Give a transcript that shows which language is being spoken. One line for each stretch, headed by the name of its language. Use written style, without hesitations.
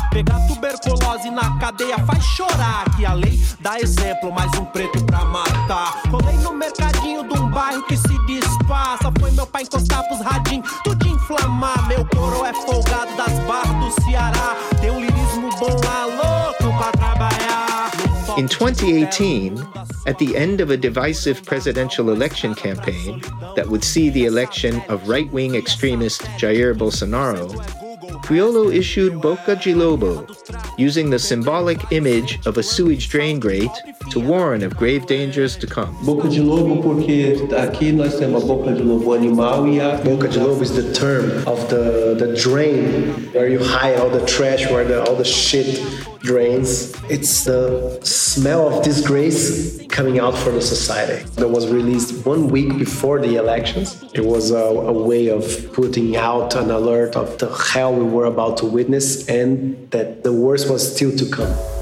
Portuguese: Pegar tuberculose na cadeia faz chorar, que a lei dá exemplo, mais um preto pra matar. Colei no mercadinho de um bairro que se dispassa, foi meu pai encostar pros radim, tudo de inflamar. Meu coro é folgado das barras do Ceará, tem um lirismo bom lá, louco pra trabalhar.
English: In 2018, at the end of a divisive presidential election campaign that would see the election of right-wing extremist Jair Bolsonaro, Criollo issued Boca de Lobo, using the symbolic image of a sewage drain grate to warn of grave dangers to come.
Portuguese: Boca de Lobo, porque aqui nós temos a Boca de Lobo animal e a...
English: Boca de Lobo is the term of the drain where you hide all the trash, where all the shit drains. It's the smell of disgrace coming out for the society. That was released 1 week before the elections. It was a way of putting out an alert of the hell we were about to witness and that the worst was still to come.